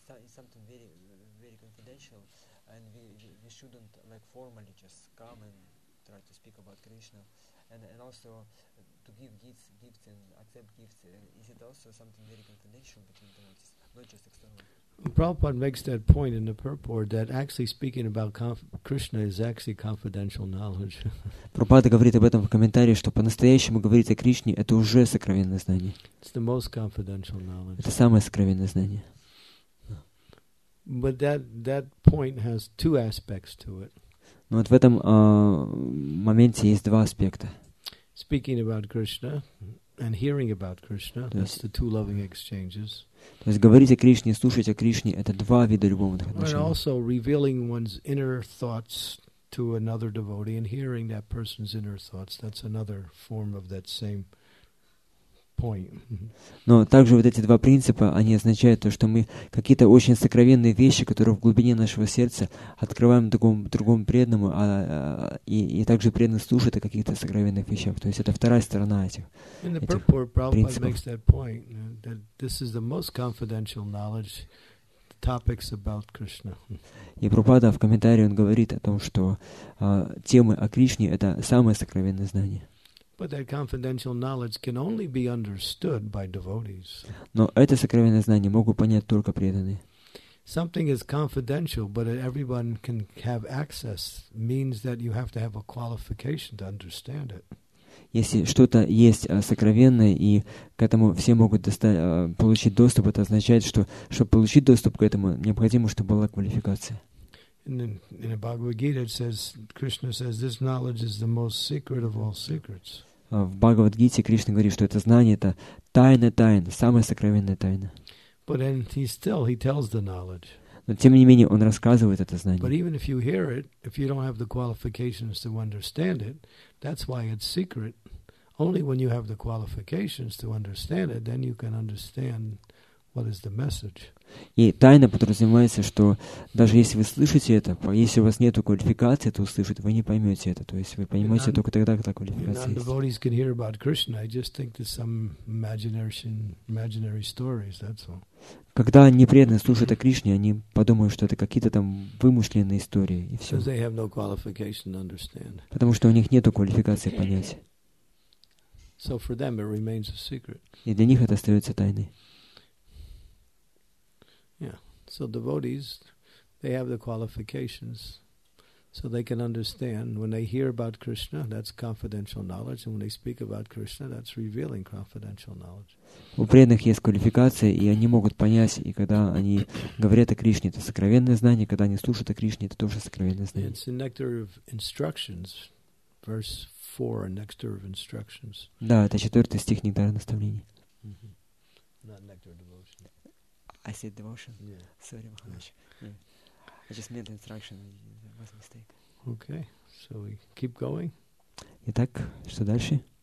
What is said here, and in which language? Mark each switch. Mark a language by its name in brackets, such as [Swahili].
[English] It's something very, very confidential, and we shouldn't like formally just come and try to speak about Krishna. And also to give gifts and accept gifts, is it also something very confidential between the devotees, not just external? Prabhupada makes that point in the purport that actually speaking about Krishna is actually confidential knowledge. [Russian] Prabhupada говорит об этом в комментарии, что по-настоящему говорить о Кришне это уже сокровенное знание. [English] It's the most confidential knowledge. [Russian] Это самое сокровенное знание. [English] But that point has two aspects to it. [Russian] Но вот в этом моменте есть два аспекта. [English] Speaking about Krishna and hearing about Krishna, that's the two loving exchanges. [Russian] То есть говорить о Кришне, слушать о Кришне, это два вида любовных отношений. [English] And also revealing one's inner thoughts to another devotee and hearing that person's inner thoughts, that's another form of that same point. [Russian] Но также вот эти два принципа, они означают то, что мы какие-то очень сокровенные вещи, которые в глубине нашего сердца, открываем другому преданному, и также преданный слушает о каких-то сокровенных вещах. То есть это вторая сторона этих принципов. И Прабхупада в комментарии он говорит о том, что темы о Кришне — это самое сокровенное знание. [English] But that confidential knowledge can only be understood by devotees. [Russian] Но это сокровенное знание могут понять только преданные. [English] Something is confidential, but everyone can have access, means that you have to have a qualification to understand it. [Russian] Если что-то есть сокровенное и к этому все могут получить доступ, это означает, что чтобы получить доступ к этому, необходимо, чтобы была квалификация. [English] In the Bhagavad Gita, it says Krishna says this knowledge is the most secret of all secrets. [Russian] В Бхагавад Гите Кришна говорит, что это знание это тайна тайн, самая сокровенная тайна. [English] But then he tells the knowledge. [Russian] Но тем не менее он рассказывает это знание. [English] But even if you hear it, if you don't have the qualifications to understand it, that's why it's secret. Only when you have the qualifications to understand it, then you can understand What is the message? [Russian] И тайна подразумевается, что даже если вы слышите это, если у вас нет квалификации это услышать, вы не поймете это. То есть вы понимаете [English] and [Russian] только тогда, когда квалификация есть. [English] Devotees can hear about Krishna. I just think there's some imaginary stories. That's all. [Russian] Когда непреданные слушают о Кришне, они подумают, что это какие-то там вымышленные истории и все. [English] They have no qualification to understand. [Russian] Потому что у них нет квалификации понять. [English] So for them it remains a secret. [Russian] И для них это остается тайной. [English] So devotees, they have the qualifications, so they can understand. When they hear about Krishna, that's confidential knowledge, and when they speak about Krishna, that's revealing confidential knowledge. [Russian] У преданных есть квалификация, и они могут понять. И когда они говорят о Кришне, это сокровенное знание. Когда они слушают о Кришне, это тоже сокровенное знание. [English] It's a nectar of instructions, verse 4, a nectar of instructions. [Russian] Да, это четвертый стих нектара наставлений. [English] Not nectar of devotion. I said devotion. Yeah. Sorry, Maharaj. Yeah. I just made the instruction. It was a mistake. Okay. So we keep going. [Russian] Итак, что дальше?